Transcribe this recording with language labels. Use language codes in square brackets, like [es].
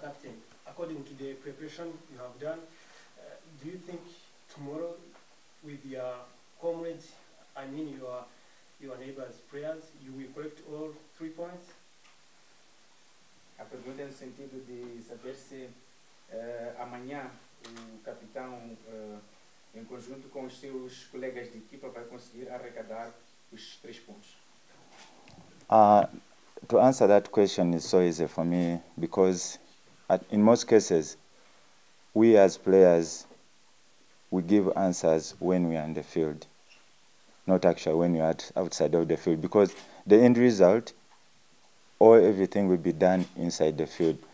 [en] Captain, according to the preparation you have done, do you think tomorrow, with your comrades, I mean your neighbors' prayers, you will collect all 3 points? [pt] A pergunta no sentido de saber se amanhã o capitão, em conjunto com os seus colegas de equipa, vai conseguir arrecadar os 3 pontos. [en] To answer that question is so easy for me, because in most cases, we as players, we give answers when we are in the field, not actually when you are outside of the field, because the end result or everything will be done inside the field.